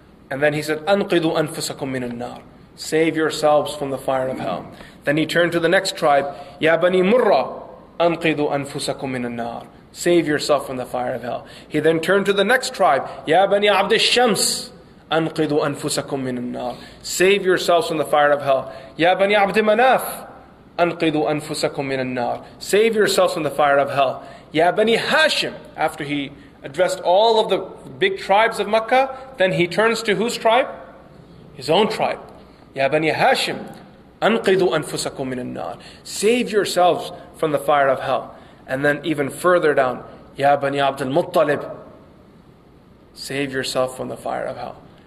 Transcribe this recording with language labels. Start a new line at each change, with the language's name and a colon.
English: And then he said,
Arabic: أَنْقِذُوا أَنفُسَكُمْ مِنَ النَّارِ
English: Save yourselves from the fire of hell. Then he turned to the next tribe,
Arabic: يَا بَنِي مُرَّ أَنْقِذُوا أَنفُسَكُمْ مِنَ النَّارِ
English: Save yourself from the fire of hell. He then turned to the next tribe,
Arabic: يَا بَنِي عَبْدِ الشَّمْسِ أَنْقِذُوا أَنفُسَكُمْ مِنَ النَّارِ
English: Save yourselves from the fire of hell.
Arabic: يَا بَنِي عَبْدِ مَنَافِ أَنْقِذُوا أَنفُسَكُمْ مِنَ النَّارِ
English: Save yourselves from the fire of hell.
Arabic: يَا بَنِي هَاشِمْ
English: After he addressed all of the big tribes of Makkah, then he turns to whose tribe? His own tribe.
Arabic: يَا بَنِي هَاشِمْ أَنْقِذُوا أَنفُسَكُمْ مِنَ النَّارِ
English: Save yourselves from the fire of hell. And then even further down,
Arabic: يَا بَنِي عَبْدِ الْمُطَّلِبِ
English: Save yourself from the fire of hell.